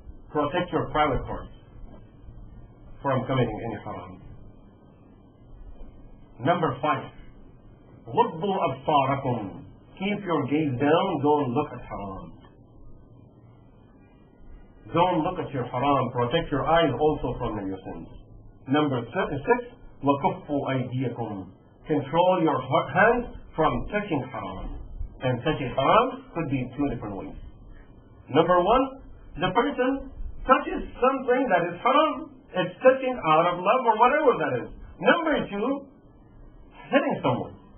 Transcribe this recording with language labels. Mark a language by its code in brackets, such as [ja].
[en] Protect your private parts from committing any haram. Number five, [ar] غُضُّوا أَبْصَارَكُمْ. [en] Keep your gaze down, don't look at haram. Don't look at your haram, protect your eyes also from your sins. Number 36, [ar] وَكُفُّوا أَيْدِيَكُمْ. [en] Control your hands from touching haram. And touching haram could be in two different ways. Number one, the person touches something that is haram. It's touching out of love or whatever that is. Number two, hitting someone.